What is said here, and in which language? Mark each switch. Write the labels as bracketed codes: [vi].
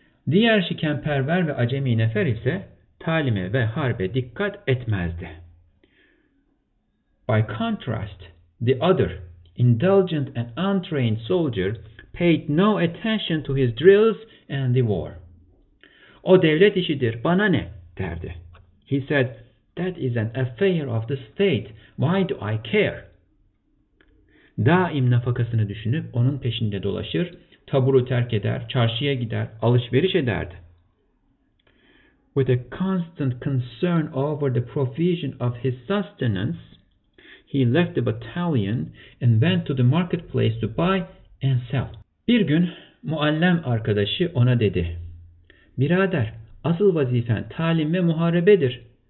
[tr] Diğer şikenperver ve acemi nefer ise talime ve harbe dikkat etmezdi. [en] By contrast, the other, indulgent and untrained soldier, paid no attention to his drills and the war. [tr] O devlet işidir, bana ne? Derdi. [en] He said, that is an affair of the state. Why do I care? [tr] Daim nafakasını düşünüp onun peşinde dolaşır, taburu terk eder, çarşıya gider, alışveriş ederdi. [en] With a constant concern over the provision of his sustenance, he left the battalion and went to the marketplace to buy and sell. [tr] Bir gün muallem arkadaşı ona dedi, birader, asıl vazifen talim ve muharebedir.